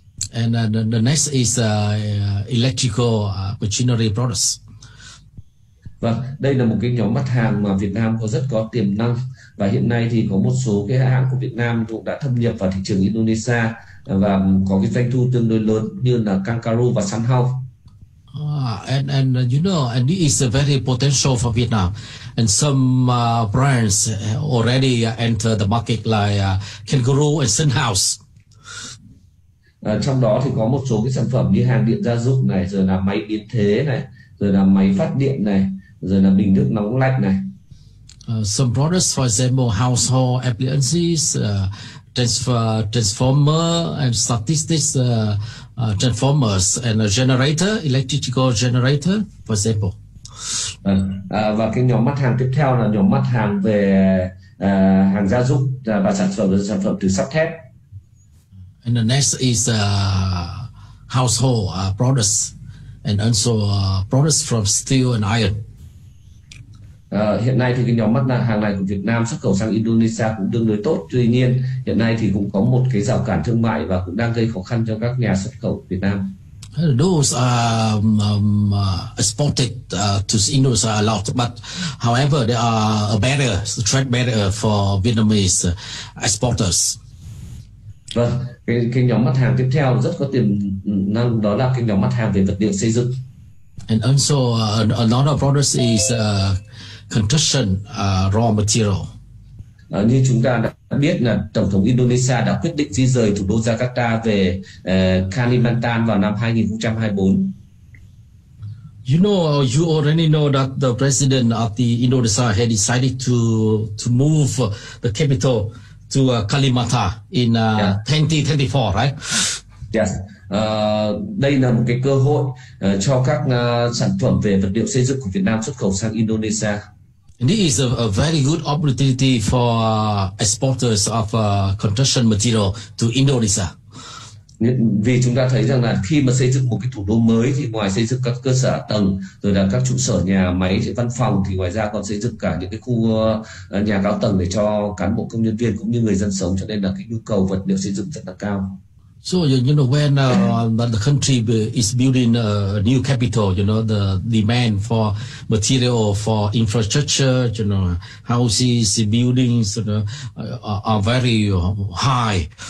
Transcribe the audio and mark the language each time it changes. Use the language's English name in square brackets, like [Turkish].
[English] And the next is electrical machinery products. [Vietnamese] Vâng, đây là một cái nhóm mặt hàng mà Việt Nam có rất có tiềm năng, và hiện nay thì có một số cái hãng của Việt Nam cũng đã thâm nhập vào thị trường Indonesia và có cái doanh thu tương đối lớn như là Kangaroo và Sunhow. [English] And you know, and this is a very potential for Vietnam. And some brands already enter the market like Kangaroo and Sunhow. [Vietnamese] Trong đó thì có một số cái sản phẩm như hàng điện gia dụng này, rồi là máy biến thế này, rồi là máy phát điện này, rồi là bình nước nóng lạnh này. [English] Some products, for example, household appliances, transformer and statistics. Transformers and a generator, electrical generator, for example. [Vietnamese] Và cái nhóm mặt hàng tiếp theo là nhóm mặt hàng về hàng gia dụng và sản phẩm từ sắt thép. [English] And the next is household products and also products from steel and iron. [Vietnamese] Hiện nay thì cái nhóm mặt hàng này của Việt Nam xuất khẩu sang Indonesia cũng tương đối tốt. Tuy nhiên, hiện nay thì cũng có một cái rào cản thương mại và cũng đang gây khó khăn cho các nhà xuất khẩu Việt Nam. [English] Those are exported to Indonesia a lot, but however, there are a barrier, trade barrier for Vietnamese exporters. [Vietnamese] Vâng, cái nhóm mặt hàng tiếp theo rất có tiềm năng, đó là cái nhóm mặt hàng về vật liệu xây dựng. [English] And also a lot of products is construction raw material. [Vietnamese] Như chúng ta đã biết là Tổng thống Indonesia đã quyết định di rời thủ đô Jakarta về Kalimantan vào năm 2024. [English] You know, you already know that the president of the Indonesia had decided to move the capital to Kalimantan in 2024, right? Yes. [Vietnamese] Đây là một cái cơ hội cho các sản phẩm về vật liệu xây dựng của Việt Nam xuất khẩu sang Indonesia. [English] And this is a very good opportunity for exporters of construction material to Indonesia. [Vietnamese] Vì chúng ta thấy rằng là khi mà xây dựng một cái thủ đô mới thì ngoài xây dựng các cơ sở tầng rồi là các trụ sở nhà máy văn phòng thì ngoài ra còn xây dựng cả những cái khu nhà cao tầng để cho cán bộ công nhân viên cũng như người dân sống, cho nên là cái nhu cầu vật liệu xây dựng rất là cao. [English] So you know when the country is building a new capital, you know the demand for material for infrastructure, you know houses, buildings, you know, are very high.